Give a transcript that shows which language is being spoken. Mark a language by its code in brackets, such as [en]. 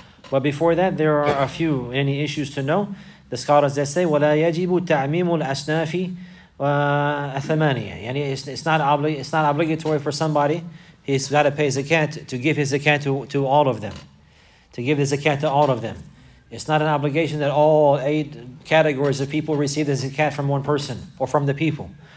[en] But before that, there are a few any issues to know. The scholars that say, [ar] وَلَا يَجِبُ تَعْمِيمُ الْأَسْنَافِ ثَمَانِيَةً. [en] It's not obligatory for somebody. He's got to pay zakat, to give his zakat to all of them. To give the zakat to all of them. It's not an obligation that all eight categories of people receive the zakat from one person, or from the people.